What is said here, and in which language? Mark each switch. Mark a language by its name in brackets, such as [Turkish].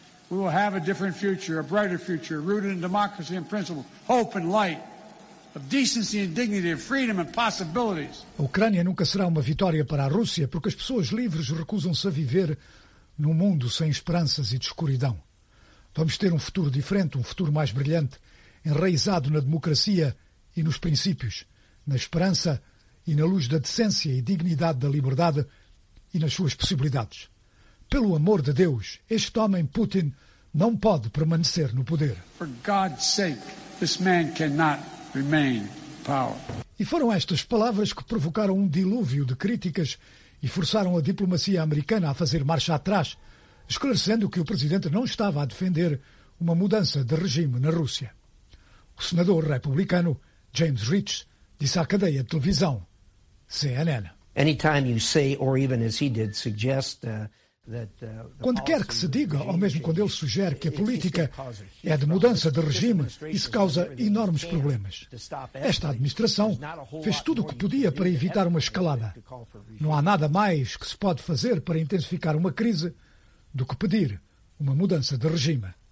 [English] We will have a different future, a brighter future, rooted in democracy and principle, hope and light, of decency and dignity, of freedom and possibilities. [Portuguese] A Ucrânia nunca será uma vitória para a Rússia porque as pessoas livres recusam-se a viver num mundo sem esperanças e de escuridão. Vamos ter um futuro diferente, um futuro mais brilhante, enraizado na democracia e nos princípios, na esperança e na luz da decência e dignidade da liberdade e nas suas possibilidades. Pelo amor de Deus, este homem, Putin, não pode permanecer no poder. [English] For God's sake, this man cannot remain power. [Portuguese] E foram estas palavras que provocaram um dilúvio de críticas e forçaram a diplomacia americana a fazer marcha atrás, esclarecendo que o presidente não estava a defender uma mudança de regime na Rússia. O senador republicano James Rich disse à cadeia de televisão CNN. [English] Anytime you say, or even as he did, suggest that [Portuguese] quando quer que se diga, ou mesmo quando ele sugere que a política é de mudança de regime, isso causa enormes problemas. Esta administração fez tudo o que podia para evitar uma escalada. Não há nada mais que se pode fazer para intensificar uma crise do que pedir uma mudança de regime.